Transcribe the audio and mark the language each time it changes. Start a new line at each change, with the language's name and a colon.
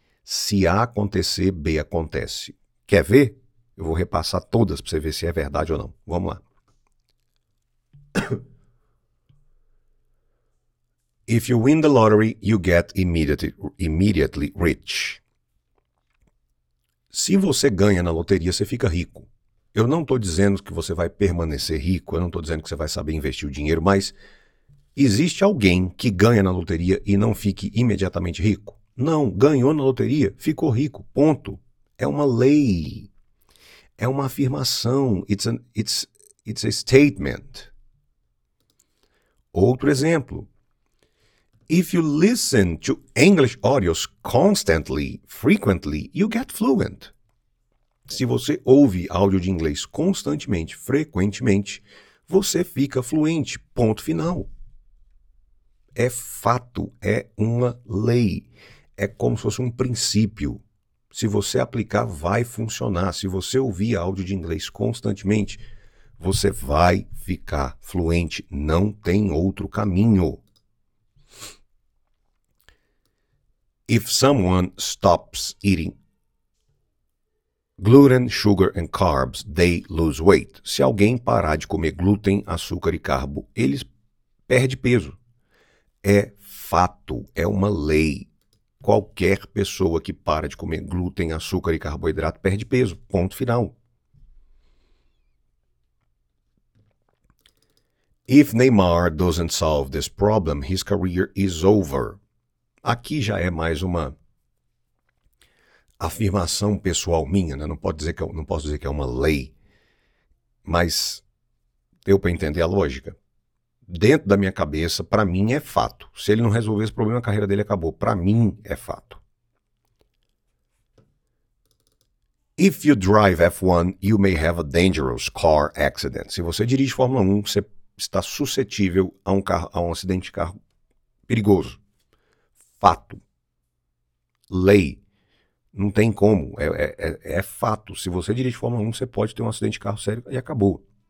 Portuguese: Se A acontecer, B acontece. Quer ver? Eu vou repassar todas para você ver se é verdade ou não. Vamos lá.
English: If you win the lottery, you get immediately rich.
Portuguese: Se você ganha na loteria, você fica rico. Eu não estou dizendo que você vai permanecer rico, eu não estou dizendo que você vai saber investir o dinheiro, mas existe alguém que ganha na loteria e não fique imediatamente rico? Não, ganhou na loteria, ficou rico, ponto. É uma lei, é uma afirmação,
English: it's a statement.
Portuguese: Outro exemplo.
English: If you listen to English audios constantly, frequently, you get fluent.
Portuguese: Se você ouve áudio de inglês constantemente, frequentemente, você fica fluente, ponto final. É fato, é uma lei. É como se fosse um princípio. Se você aplicar, vai funcionar. Se você ouvir áudio de inglês constantemente, você vai ficar fluente. Não tem outro caminho.
English: If someone stops eating gluten, sugar and carbs, they lose weight.
Portuguese: Se alguém parar de comer glúten, açúcar e carbo, eles perdem peso. É fato, é uma lei. Qualquer pessoa que para de comer glúten, açúcar e carboidrato perde peso. Ponto final.
English: If Neymar doesn't solve this problem, his career is over.
Portuguese: Aqui já é mais uma afirmação pessoal minha, né? Não posso dizer que é uma lei, mas deu para entender a lógica. Dentro da minha cabeça, para mim é fato. Se ele não resolver esse problema, a carreira dele acabou. Para mim é fato.
English: If you drive F1, you may have a dangerous car accident.
Portuguese: Se você dirige Fórmula 1, você está suscetível a um acidente de carro perigoso. Fato. Lei. Não tem como. É fato. Se você dirige Fórmula 1, você pode ter um acidente de carro sério e acabou.